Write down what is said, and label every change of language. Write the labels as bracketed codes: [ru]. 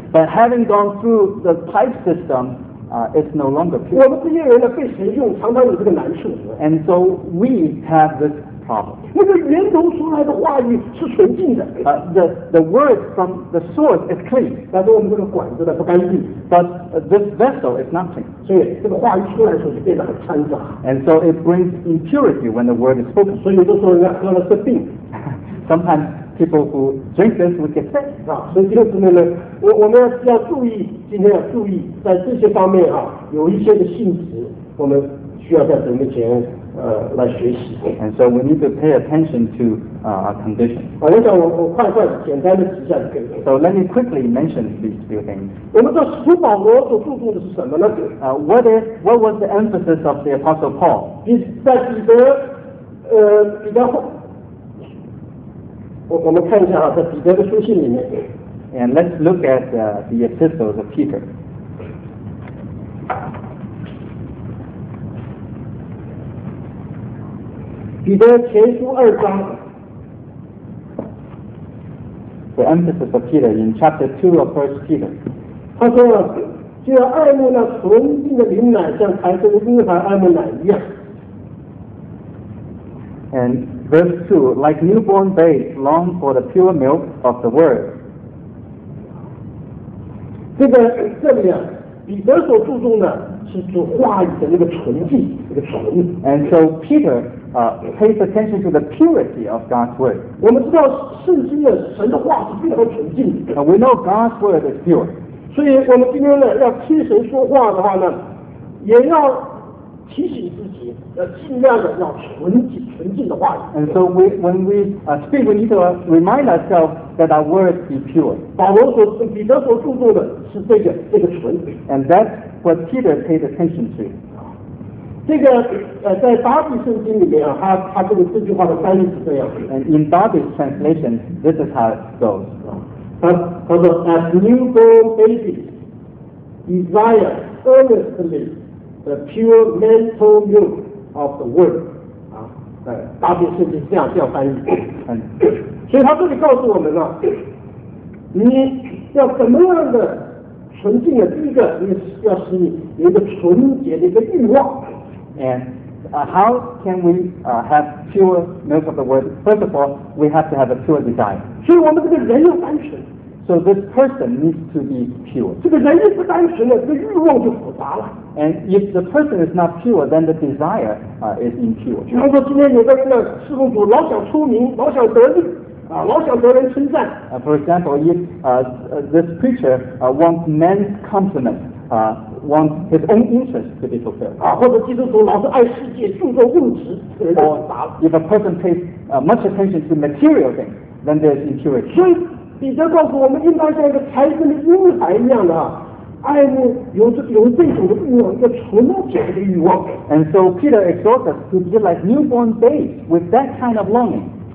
[en] But having gone through the pipe system, it's no longer pure. [zh] 我们这些人呢，被神用，常常有这个难处。 [en] And so we have this problem. [zh] 那个源头出来的话语是纯净的。 [en] The word from the source is clean. [zh] 但是我们这个管子呢，不干净。 [en] But this vessel is not clean. [zh] 所以这个话语出来的时候就变得很掺杂。 [en] And so it brings impurity when the word is spoken. [zh] 所以有的时候人家喝了是病。 [en] Sometimes. People who drink this will get sick. [zh] 所以弟兄姊妹们，我们要注意，今天要注意，在这些方面啊，有一些的信息，我们需要在神面前来学习。 [en] And so we need to pay attention to our condition. [zh] 我想我快快简单的提一下就可以了。 [en] So let me quickly mention these few things. [zh] 我们知道使徒保罗所注重的是什么呢？ [en] What was the emphasis of the Apostle Paul? [zh] 在彼得，彼得后。我们看一下啊，在彼得的书信里面。 [en] And let's look at the epistles of Peter. [zh] 彼得前书二章。 [en] The emphasis of Peter in chapter 2 of 1 Peter. [zh] 他说了，就像爱慕那纯净的灵奶，像孩子的婴孩爱慕奶一样。 [en] And verse 2, like newborn babes long for the pure milk of the word. [zh] 这里啊，彼得所注重的是指话语的那个纯净， [en] And so Peter pays attention to the purity of God's word. [zh] 我们知道圣经的神的话是非常纯净的。 [en] We know God's word is pure. [zh] 所以我们今天呢，要听神说话的话呢，也要。提醒自己要尽量的要纯净的话语。 [en] And so when we speak, we need to remind ourselves that our words be pure. [zh] 彼得所注重的是这个纯。 [en] And that's what Peter paid attention to. [zh] 这个在达比圣经里面啊，他这句话的翻译是这样的。 [en] And in Darby's translation, this is how it goes. [zh] 他说 [en] ，As newborn babies desire earnestly. The pure mental milk of the word. [zh] 大约甚至这样翻译。所以他这里告诉我们了、你要怎么样的纯净的，第一个你要使你有一个纯洁的一个欲望。 [en] And how can we have pure milk of the word? First of all, we have to have a pure desire. [zh] 所以我们这个人要单纯。 [en] So this person needs to be pure. [zh] 这个人一不单纯了，这个欲望就复杂了。 [en] And if the person is not pure, then the desire is impure. [zh] 比方说，今天有的人侍奉主老想出名，老想得利，老想得人称赞。 [en] For example, if this preacher wants men's compliments, wants his own interest to be fulfilled. [zh] 或者基督徒老是爱世界，注重物质，这个复杂了。 [en] If a person pays much attention to material things, then there's impurity. [zh] 彼得告诉我们，应当像一个孩子的婴孩一样的爱慕有这种的欲望，一个纯洁的欲望。 [en] And so Peter exhorts us to be like newborn babes with that kind of longing.